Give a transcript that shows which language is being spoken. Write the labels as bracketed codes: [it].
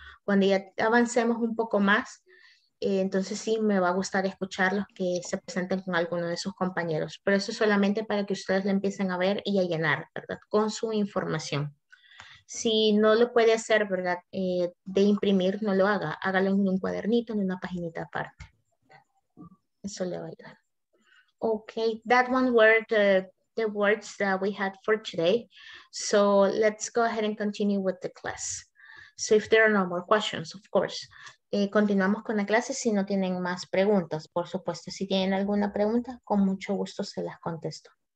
[es] Cuando ya avancemos un poco más, entonces sí me va a gustar escucharlos que se presenten con alguno de sus compañeros, pero eso es solamente para que ustedes le empiecen a ver y a llenar, ¿verdad? Con su información. Si no lo puede hacer, ¿verdad? De imprimir, no lo haga, hágalo en un cuadernito, en una paginita aparte. Eso le va a ayudar. [en] Okay, that one were the words that we had for today. So let's go ahead and continue with the class. So if there are no more questions, of course. [es] Continuamos con la clase si no tienen más preguntas, por supuesto. Si tienen alguna pregunta, con mucho gusto se las contesto.